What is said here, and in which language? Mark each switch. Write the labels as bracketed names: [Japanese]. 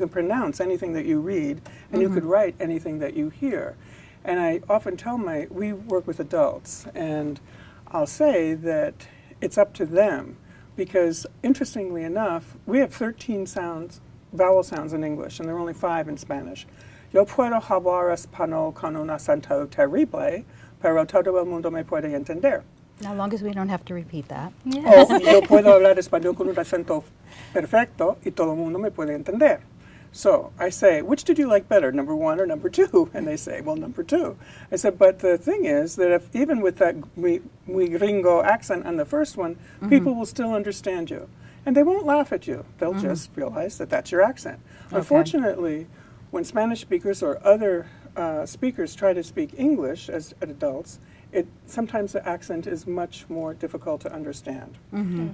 [English] You can pronounce anything that you read, and mm-hmm. you could write anything that you hear. And I often tell we work with adults, and I'll say that it's up to them, because interestingly enough, we have 13 sounds, vowel sounds in English, and there are only 5 in Spanish. [Spanish] Yo puedo hablar español con un acento terrible, pero todo el mundo me puede entender. [English] As long as we don't have to repeat that. Yes. [Spanish] Yo puedo hablar español con un acento perfecto y todo el mundo me puede entender. [English] So I say, which did you like better, number one or number two? And they say, well, number two. I said, but the thing is that if even with that muy gringo accent on the first one, mm-hmm. people will still understand you. And they won't laugh at you. They'll mm-hmm. just realize that that's your accent. Okay. Unfortunately, when Spanish speakers or other speakers try to speak English as adults, it sometimes the accent is much more difficult to understand. Mm-hmm.